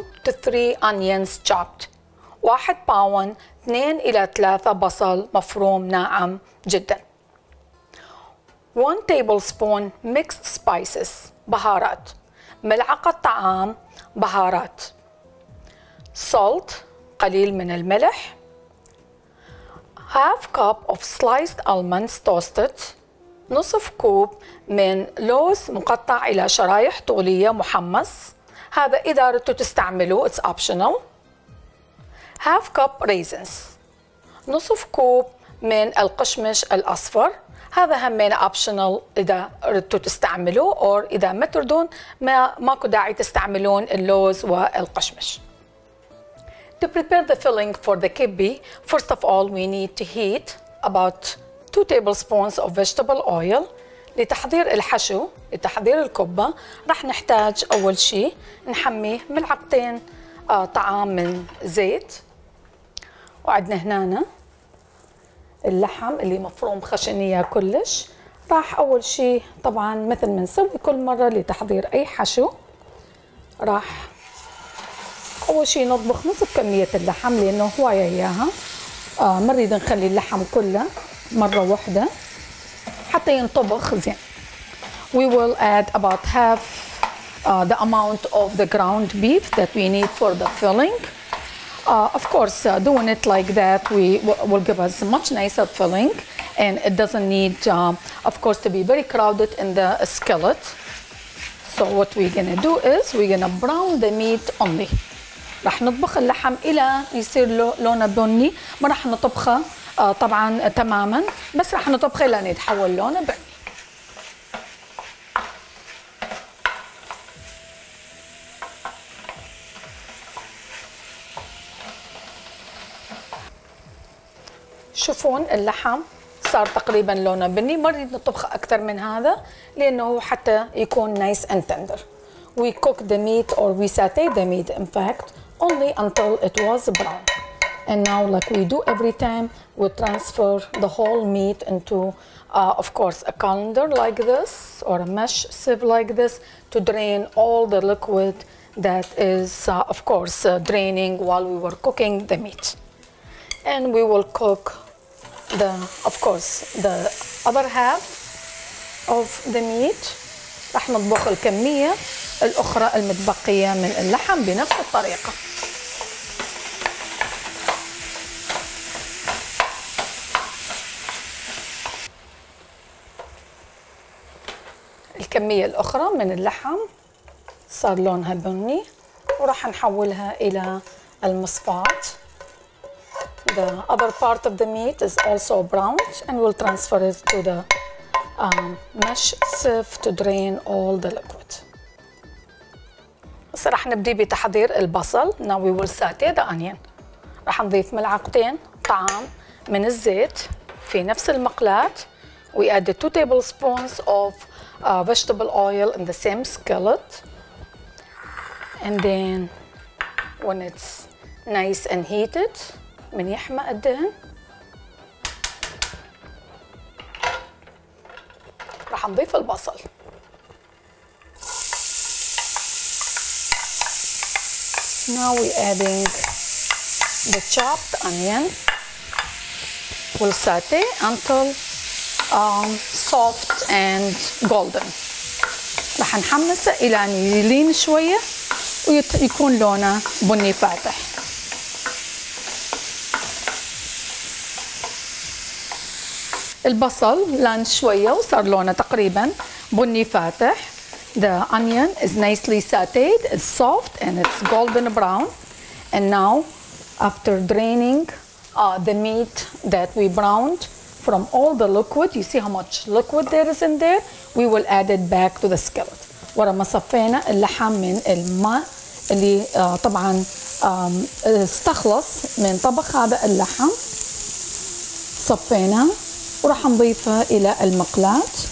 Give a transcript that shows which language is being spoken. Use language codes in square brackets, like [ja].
[en] 1 pound 2 to 3 onions chopped, [ar] 1 pound 2 إلى 3 بصل مفروم ناعم جدا. [en] 1 tablespoon mixed spices, [ar] بهارات, 1 ملعقة طعام بهارات. [en] Salt, [ar] قليل من الملح. [en] 1/2 cup of sliced almonds toasted, [ar] 1/2 كوب من لوز مقطع إلى شرائح طولية محمص, هذا إذا أردتوا تستعملوه [en] it's optional. 1/2 cup raisins, [ar] 1/2 كوب من القشمش الأصفر, هذا همين optional إذا أردتوا تستعملوه أو إذا ما تردون ماكو داعي تستعملون اللوز والقشمش. [en] To prepare the filling for the kibbe, first of all we need to heat about 2 tablespoons of vegetable oil. [ar] لتحضير الحشو, لتحضير الكبة, رح نحتاج أول شيء نحمي 2 ملعقة طعام من زيت, وعندنا هنا اللحم اللي مفروم خشنية كلش. راح أول شيء طبعا مثل ما نسوي كل مرة لتحضير أي حشو, راح أول شيء نطبخ 1/2 كمية اللحم لأنه هواية إياها, ما نريد نخلي اللحم كله مرة واحدة حتى ينطبخ زين. [en] We will add about half the amount of the ground beef that we need for the filling. Of course, doing it like that we will give us much nicer filling, and it doesn't need, of course, to be very crowded in the skillet. So what we're gonna do is we're gonna brown the meat only. [ar] رح نطبخ اللحم إلى يصير لونه بني, ما رح نطبخه طبعا تماما, بس رح نطبخه إلى يتحول لونه بني. شوفون اللحم صار تقريبا لونه بني، ما نريد نطبخ اكثر من هذا لانه هو حتى يكون [en] Nice and tender. We cook the meat or we sauté the meat in fact only until it was brown. And now, like we do every time, we transfer the whole meat into, of course, a colander like this or a mesh sieve like this to drain all the liquid that is, of course, draining while we were cooking the meat. And we will cook the, of course, the other half of the meat. [ar] رح نطبخ الكمية الأخرى المتبقية من اللحم بنفس الطريقة. الكمية الأخرى من اللحم صار لونها بني وراح نحولها إلى المصفاة. [en] The other part of the meat is also browned and we'll transfer it to the mesh sieve to drain all the liquid. [ar] بس راح نبدأ بتحضير البصل. [en] Now we will saute the onion. [ar] راح نضيف ملعقتين طعام من الزيت في نفس المقلاة. [en] We added 2 tablespoons of vegetable oil in the same skillet. And then when it's nice and heated, [ar] من يحمق الدهن راح نضيف البصل. [en] Now we adding the chopped onion. We'll saute until soft and golden. [ar] راح نحمسه الى ان يلين شويه ويكون لونه بني فاتح. البصل لان شويه وصار لونه تقريبا بني فاتح. [en] The onion is nicely sauteed, it's soft and it's golden brown. And now after draining the meat that we browned from all the liquid, you see how much liquid there is in there, we will add it back to the skillet. [ar] ورا ما صفينا اللحم من الماء اللي طبعا استخلص من طبخ هذا اللحم صفينا وراح نضيفه الى المقلاة.